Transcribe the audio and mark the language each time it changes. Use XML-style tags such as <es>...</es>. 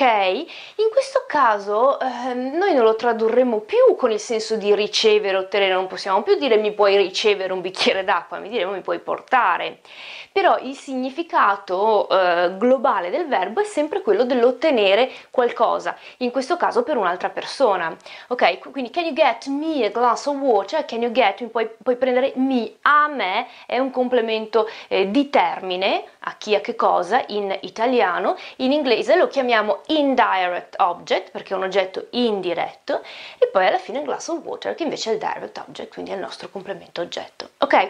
<it>In questo caso noi non lo tradurremo più con il senso di ricevere, ottenere, non possiamo più dire mi puoi ricevere un bicchiere d'acqua, mi diremo mi puoi portare. Però il significato globale del verbo è sempre quello dell'ottenere qualcosa, in questo caso per un'altra persona. Ok?</it> <en>Quindi can you get me a glass of water? Can you get me?</en> <it>Puoi prendere me, a me, è un complemento di termine, a chi, a che cosa, in italiano. In inglese lo chiamiamo indirect object, perché è un oggetto indiretto, e poi alla fine glass of water, che invece è il direct object, quindi è il nostro complemento oggetto. Ok?</it>